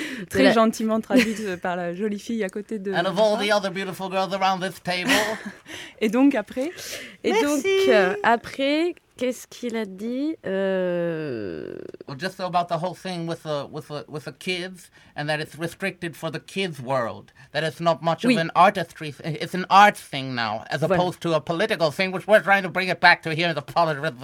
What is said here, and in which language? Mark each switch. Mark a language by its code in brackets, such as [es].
[fr] Très gentiment traduite par la jolie fille à côté de. [en] And of all the other beautiful girls around this table. [fr] Et donc après. Et donc après, qu'est-ce qu'il a dit? [en] Well, just about the whole thing with the kids, and that it's restricted for the kids' world. That it's not much of an artistry. It's an art thing now, as opposed to a political thing, which we're trying to bring it back to here in the politics.